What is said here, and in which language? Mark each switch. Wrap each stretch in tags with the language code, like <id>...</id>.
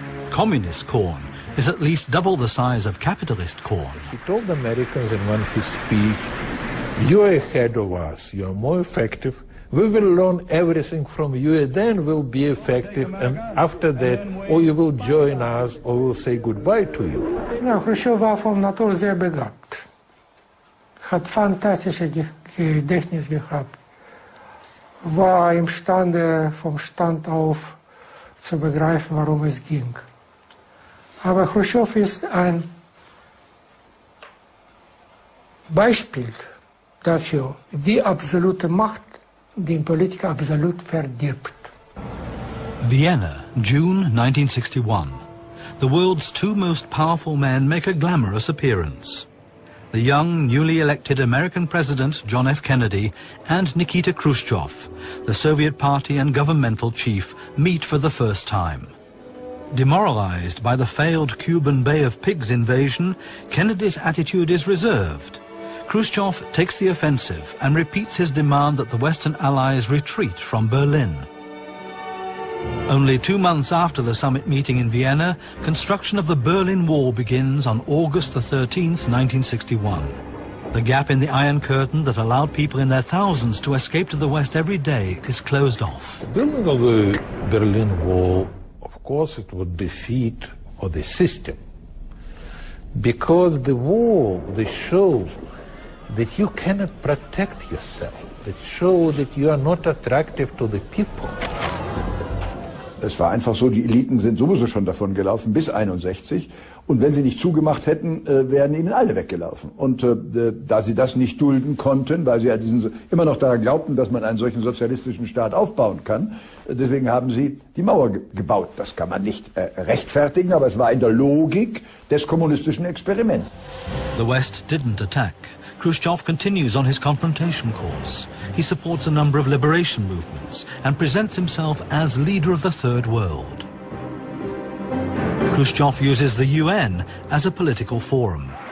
<en>Communist corn is at least double the size of capitalist corn. He told the Americans in one of his speeches, "You're ahead of us, you're more effective. We will learn everything from you, then we'll be effective, and after that, or you will join us, or we'll say goodbye to you."</en> <de>Ja, Khrushchev war vom Natur sehr begabt, hat fantastische Gedächtnis gehabt, war imstande, vom Stand auf zu begreifen, warum es ging. Aber Khrushchev ist ein Beispiel dafür, wie absolute Macht den Politiker absolut verdirbt.</de> <en>Vienna, June 1961. The world's two most powerful men make a glamorous appearance. The young, newly elected American President John F. Kennedy and Nikita Khrushchev, the Soviet party and governmental chief, meet for the first time. Demoralized by the failed Cuban Bay of Pigs invasion, Kennedy's attitude is reserved. Khrushchev takes the offensive and repeats his demand that the Western allies retreat from Berlin. Only 2 months after the summit meeting in Vienna, construction of the Berlin Wall begins on August 13, 1961. The gap in the Iron Curtain that allowed people in their thousands to escape to the West every day is closed off. The building of the Berlin Wall, of course, it was a defeat for the system. Because the wall, the show, that you cannot protect yourself, that show that you are not attractive to the people.</en> <de>es war einfach so, die Eliten sind sowieso schon davon gelaufen bis 61. Und wenn sie nicht zugemacht hätten, wären ihnen alle weggelaufen. Und da sie das nicht dulden konnten, weil sie ja diesen, immer noch daran glaubten, dass man einen solchen sozialistischen Staat aufbauen kann, deswegen haben sie die Mauer gebaut. Das kann man nicht rechtfertigen, aber es war in der Logik des kommunistischen Experiments.</de> <en>The West didn't attack. Khrushchev continues on his confrontation course. He supports a number of liberation movements and presents himself as leader of the Third World. Khrushchev uses the UN as a political forum.</en>